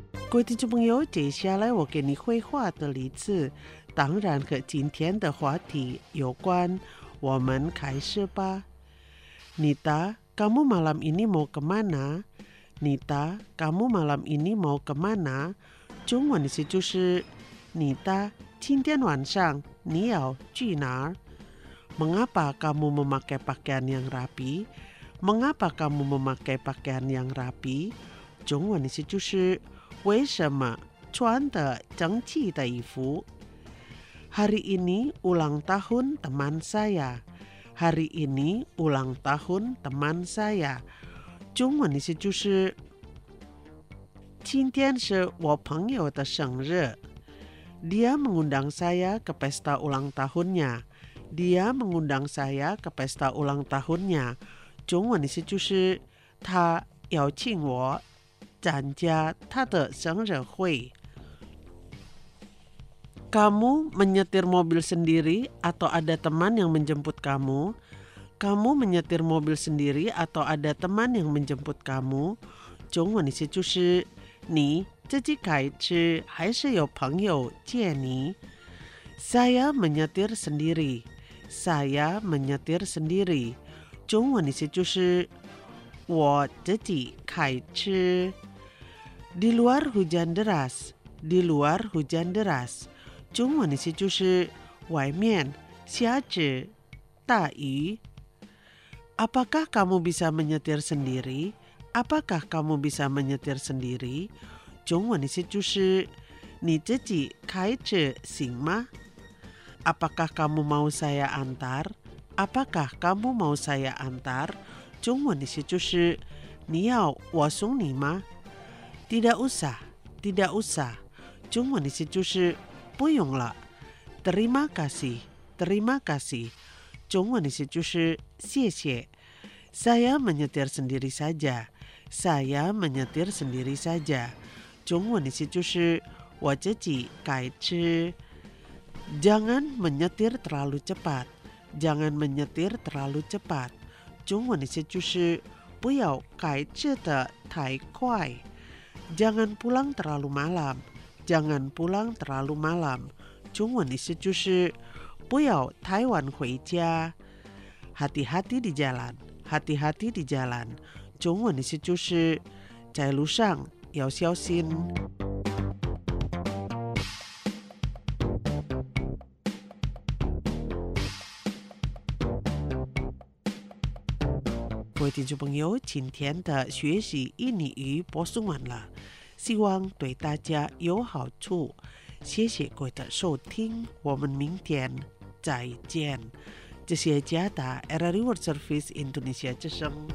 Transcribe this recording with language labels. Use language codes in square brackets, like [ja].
[zh] 各位听众朋友，接下来我给你绘画的例子当然和今天的话题有关，我们开始吧。 [id] Nita, kamu malam ini mau kemana? Nita, kamu malam ini mau kemana? [zh] 中文的意思就是 Nita, 今天晚上你要去哪儿？ [id] Mengapa kamu memakai pakaian yang rapi? Mengapa kamu memakai pakaian yang rapi? [zh] 中文的意思就是为什么穿的整齐的衣服？ [id] Hari ini ulang tahun teman saya. Hari ini ulang tahun teman saya. [zh] 中文意思就是今天是我朋友的生日。 [id] Dia mengundang saya ke pesta ulang tahunnya. Dia mengundang saya ke pesta ulang tahunnya. [zh] 中文意思就是他邀请我参加他的生日会。 [id] Kamu menyetir mobil sendiri atau ada teman yang menjemput kamu? Kamu menyetir mobil sendiri atau ada teman yang menjemput kamu? [zh] 中文意思就是你自己开车还是有朋友接你？ [id] Saya menyetir sendiri. Saya menyetir sendiri. [zh] 中文意思就是我自己开车。 [id] Di luar hujan deras. Di luar hujan deras. [zh] 中文的意思就是外面下着大雨。 [id] Apakah kamu bisa menyetir sendiri? Apakah kamu bisa menyetir sendiri? [zh] 中文的意思就是你自己开车行吗？ [id] Apakah kamu mau saya antar? Apakah kamu mau saya antar? [zh] 中文的意思就是你要我送你吗？ [id] Tidak usah, tidak usah. [zh] 中文的意思就是不用了。 [id] Terima kasih, terima kasih. [zh] 中文意思就是谢谢。 [id] Saya menyetir sendiri saja. Saya menyetir sendiri saja. [zh] 中文意思就是我自己开车。 [id] Jangan menyetir terlalu cepat. Jangan menyetir terlalu cepat. [zh] 中文意思就是不要开车的太快。 [id] Jangan pulang terlalu malam. Jangan pulang terlalu malam. [zh] 中文意思就是不要太晚回家。 [id] Hati-hati di jalan. Hati-hati di jalan. [zh] 中文意思就是在路上要小心。各位听众朋友，今天的学习印尼语播送完了。希望对大家有好处，谢谢各位的收听，我们明天再见。这些加达 RRI World Service Indonesia 之声。